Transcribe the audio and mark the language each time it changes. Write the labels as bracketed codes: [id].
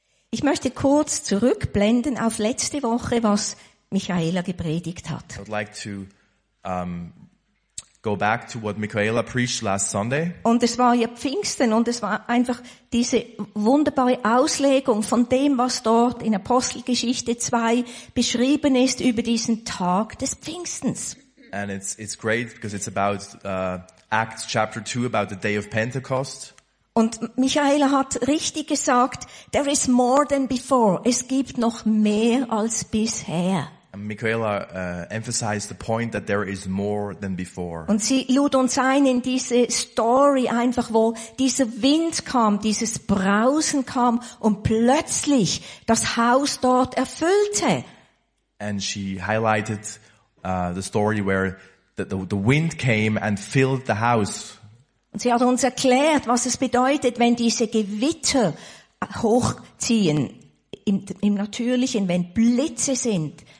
[de] Ich möchte kurz zurückblenden auf letzte Woche, was Michaela gepredigt hat. [en] I would like to go back to what Michaela preached last Sunday. [de] Und es war ja Pfingsten und es war einfach diese wunderbare Auslegung von dem, was dort in Apostelgeschichte 2 beschrieben ist über diesen Tag des Pfingstens. [en] And it's great because it's about Acts chapter 2 about the day of Pentecost. [de] Und Michaela hat richtig gesagt, [en] there is more than before. [de] Es gibt noch mehr als bisher. [en] Michaela emphasized the point that there is more than before. [de] Und sie lud uns ein in diese Story einfach, wo dieser Wind kam, dieses Brausen kam und plötzlich das Haus dort erfüllte. [en] And she highlighted the story where the wind came and filled the house. [de] Und sie hat uns erklärt, was es bedeutet, wenn diese Gewitter hochziehen im Natürlichen, wenn Blitze sind.